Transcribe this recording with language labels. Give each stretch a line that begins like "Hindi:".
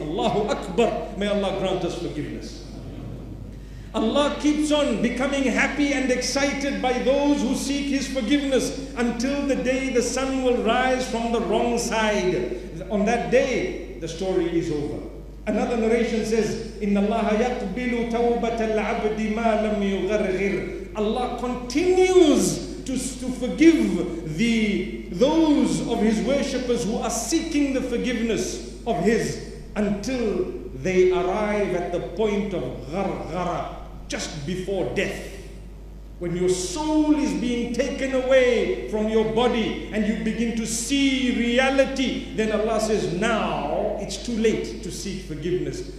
English: Allahu Akbar. May Allah grant us forgiveness. Allah keeps on becoming happy and excited by those who seek His forgiveness until the day the sun will rise from the wrong side. On that day, the story is over.
Arabic: Another narration says, إِنَّ اللَّهَ يَقْبِلُ تَوْبَةَ الْعَبْدِ مَا لَمْ يُغَرْغِرْ.
English: Allah continues to forgive those of His worshippers who are seeking the forgiveness of His until they arrive at the point of غَرْغَرَ, just before death. When your soul is being taken away from your body and you begin to see reality, then Allah says, now, it's too late to seek forgiveness.